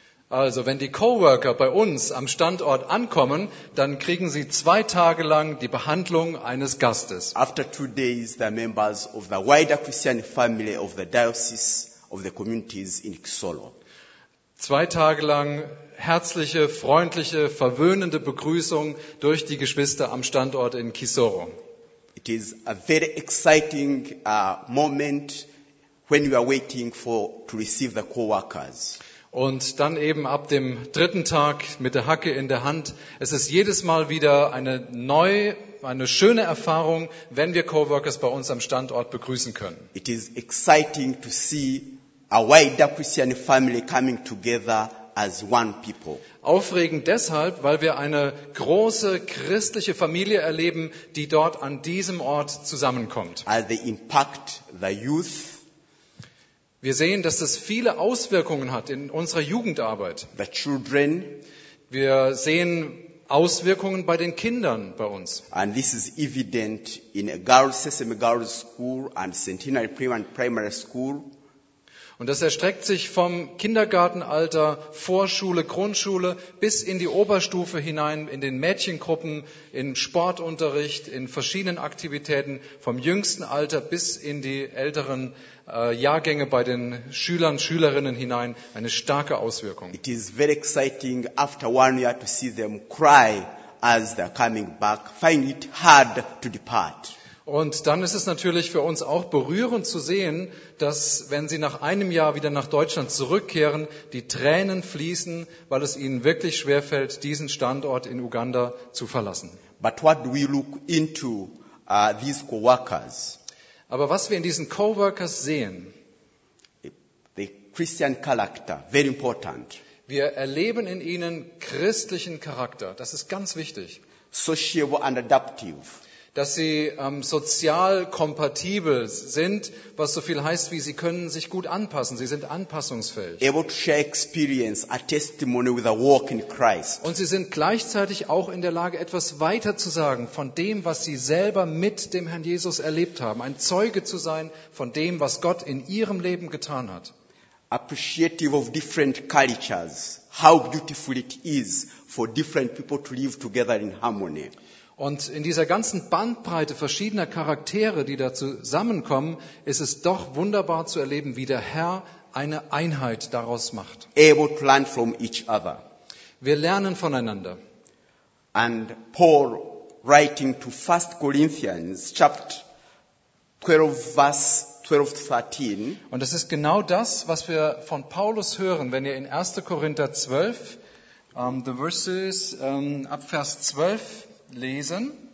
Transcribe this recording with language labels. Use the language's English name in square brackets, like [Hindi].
[German] Also wenn die Coworker bei uns am Standort ankommen, dann kriegen sie 2 Tage lang die Behandlung eines Gastes. [English] After 2 days, the members of the wider Christian family of the diocese of the communities in Kisoro. [German] 2 Tage lang herzliche, freundliche, verwöhnende Begrüßung durch die Geschwister am Standort in Kisoro. [English] It is a very exciting moment when you are waiting for to receive the co-workers. [German] Und dann eben ab dem 3. Tag mit der Hacke in der Hand. Es ist jedes Mal wieder eine schöne Erfahrung, wenn wir Coworkers bei uns am Standort begrüßen können. [English] It is exciting to see a wider Christian family coming together as one people. [German] Aufregend deshalb, weil wir eine große christliche Familie erleben, die dort an diesem Ort zusammenkommt. [English] As they impact the youth. [German] Wir sehen, dass das viele Auswirkungen hat in unserer Jugendarbeit. [English] The children. [German] Wir sehen Auswirkungen bei den Kindern bei uns. [English] And this is evident in a girls, Sesame Girls School and Centenary Primary School. [German] Und das erstreckt sich vom Kindergartenalter, Vorschule, Grundschule bis in die Oberstufe hinein, in den Mädchengruppen, in Sportunterricht, in verschiedenen Aktivitäten, vom jüngsten Alter bis in die älteren Jahrgänge bei den Schülern, Schülerinnen hinein, eine starke Auswirkung. [English] It is very exciting after 1 year to see them cry as they're coming back, find it hard to depart. [German] Und dann ist es natürlich für uns auch berührend zu sehen, dass wenn sie nach einem Jahr wieder nach Deutschland zurückkehren, die Tränen fließen, weil es ihnen wirklich schwerfällt, diesen Standort in Uganda zu verlassen. [English] But what do we look into these co-workers? [German] Aber was wir in diesen Co-workers sehen, [English] the Christian character, very important. [German] Wir erleben in ihnen christlichen Charakter. Das ist ganz wichtig. [English] Sociable and adaptive. [German] Dass sie sozial kompatibel sind, was so viel heißt, wie sie können sich gut anpassen. Sie sind anpassungsfähig. [English] Able to share experience, a testimony with a walk in Christ. [German] Und sie sind gleichzeitig auch in der Lage, etwas weiter zu sagen von dem, was sie selber mit dem Herrn Jesus erlebt haben. Ein Zeuge zu sein von dem, was Gott in ihrem Leben getan hat. [English] Appreciative of different cultures, how beautiful it is for different people to live together in harmony. [German] Und in dieser ganzen Bandbreite verschiedener Charaktere, die da zusammenkommen, ist es doch wunderbar zu erleben, wie der Herr eine Einheit daraus macht. [English] Able to learn from each other. [German] Wir lernen voneinander. [English] And Paul writing to 1 Corinthians chapter 12 verse 12 to 13. [German] Und das ist genau das, was wir von Paulus hören, wenn ihr in 1. Korinther 12, [English] the verses [German] ab Vers 12 lesen.